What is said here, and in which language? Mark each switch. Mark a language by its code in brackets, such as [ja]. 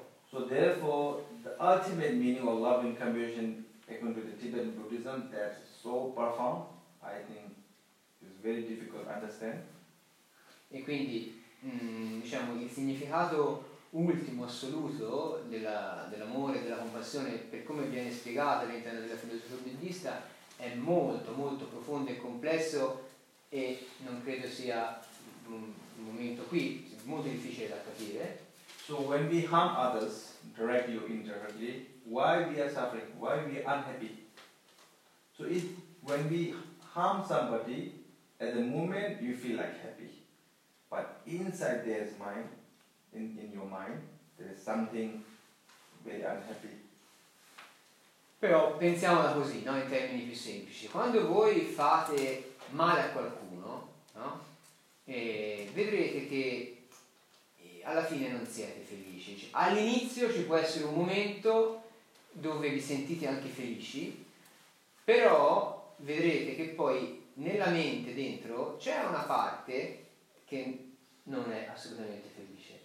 [en] So therefore, the ultimate meaning of love and compassion, according to the Tibetan Buddhism, that's so profound, I think it's very difficult to understand. [it] E quindi diciamo il significato ultimo assoluto dell'amore e della compassione, per come viene spiegato all'interno della filosofia buddista, è molto molto profondo e complesso, e non credo sia un momento qui, è molto difficile da capire. [en] So when we harm others directly or indirectly, why we are suffering, why we are unhappy? So if when we harm somebody, at the moment you feel like happy, but inside there's mind, in your mind there is something very unhappy. [it] Però pensiamola così, no? In termini più semplici, quando voi fate male a qualcuno, no? Vedrete che alla fine non siete felici. Cioè, all'inizio ci può essere un momento dove vi sentite anche felici, però vedrete che poi nella mente dentro c'è una parte che non è assolutamente felice.